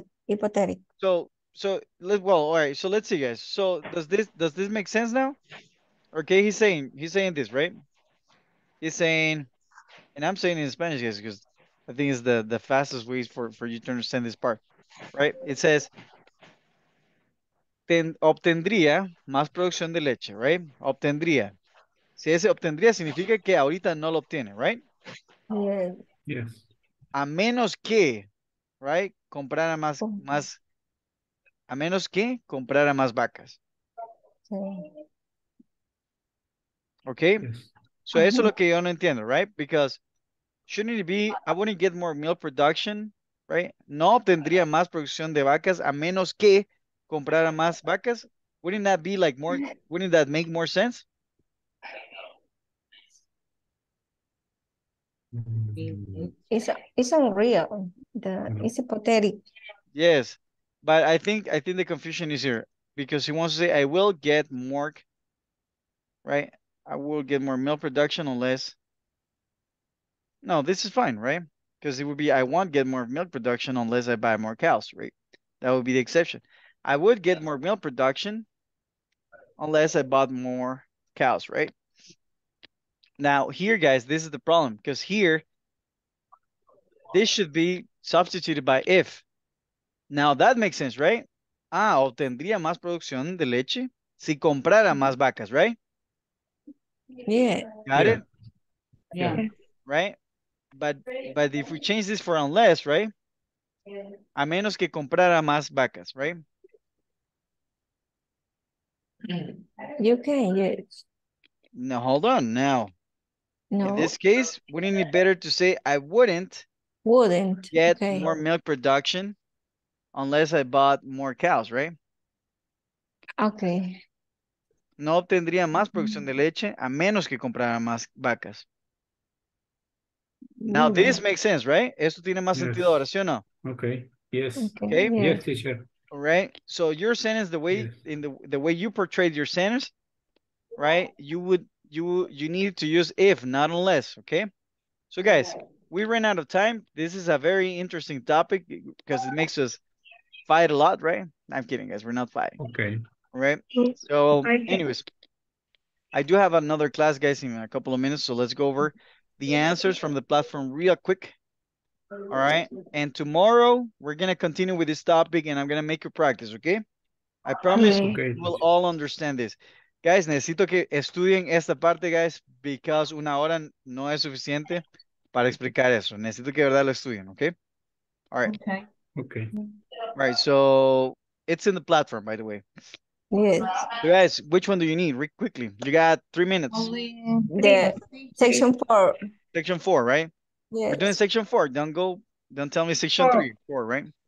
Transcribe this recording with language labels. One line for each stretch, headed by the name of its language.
English: hypothetic. So let's see, guys. So does this make sense now? Okay, he's saying this, right? He's saying, and I'm saying in Spanish, guys, because I think it's the fastest way for you to understand this part, right? It says
Spanish: obtendría más producción de leche, right? Obtendría. Si ese obtendría significa que ahorita no lo obtiene, right?
English: Yes.
Spanish: A menos que, right? Comprara más. A menos que comprara más vacas.
English: Okay. Yes. So
Spanish: eso es lo que yo no entiendo,
English: right? Because shouldn't it be, I wouldn't get more milk production, right?
Spanish: No obtendría más producción de vacas a menos que comprara más vacas.
English: Wouldn't that be like more, wouldn't that make more sense? It's unreal. It's hypothetic. Yes, but I think the confusion is here because he wants to say, I will get more, right? I will get more milk production unless. No, this is fine, right? Because it would be, I won't get more milk production unless I buy more cows, right? That would be the exception. I would get more milk production unless I bought more cows, right? Now, here, guys, this is the problem because here, this should be substituted by if. Now, that makes sense, right?
Spanish: Ah, obtendría más producción de leche si comprara más vacas, right?
English: Yeah. Got it? Yeah. Right? But if we change this for unless, right?
Spanish: A menos que comprara más vacas, right?
English: You can, yes. Now, hold on. Now, no. In this case, wouldn't it be better to say I wouldn't? Wouldn't get okay. More milk production unless I bought more cows, right? Okay.
Spanish: No obtendría más producción de leche a menos que comprara más vacas.
English: Now this makes sense, right?
Spanish: Esto tiene más sentido ahora, ¿sí o no?
English: Okay. Yes. Okay. Yes, teacher. All right. So your sentence, the way you portrayed your sentence, right? You need to use if, not unless. Okay. So guys. We ran out of time. This is a very interesting topic because it makes us fight a lot, right? I'm kidding, guys. We're not fighting. Okay. Right? So, anyways, I do have another class, guys, in a couple of minutes. So let's go over the answers from the platform real quick. All right? And tomorrow, we're going to continue with this topic, and I'm going to make you practice, okay? I promise okay. We'll all understand this.
Spanish: Guys, necesito que estudien esta parte, guys,
English: because
Spanish: una hora no es suficiente. Para explicar eso, necesito que de verdad lo estudien, okay?
English: All right. Okay. All right, so it's in the platform, by the way. Yes. So guys, which one do you need? Read quickly. You got 3 minutes. Only Section 4. Section 4, right? Yes. We're doing section 4. Don't tell me section 3. 4, right?